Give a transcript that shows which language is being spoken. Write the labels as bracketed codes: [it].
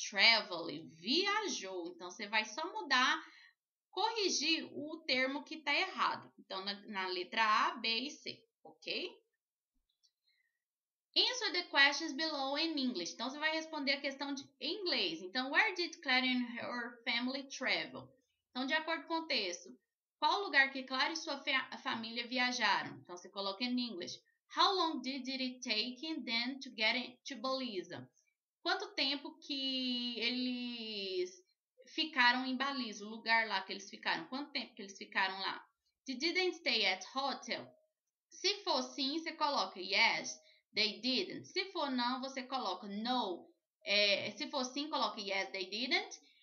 [pt] Traveled, viajou. Então, você vai só mudar, corrigir o termo que está errado. Então, na letra A, B e C, ok? [en] Answer the questions below in English. [pt] Então, você vai responder a questão em inglês. Então, [en] where did Clara and her family travel? [pt] Então, de acordo com o texto, qual lugar que Clara e sua família viajaram? Então, você coloca em English. [en] How long did it take them to get to Baliza? [pt] Quanto tempo que eles ficaram em Baliza, o lugar lá que eles ficaram? Quanto tempo que eles ficaram lá? [en] They didn't stay at hotel? [pt] Se for sim, você coloca [en] yes, they didn't. [pt] Se for não, você coloca no. Se for sim, coloca [en] yes, they didn't.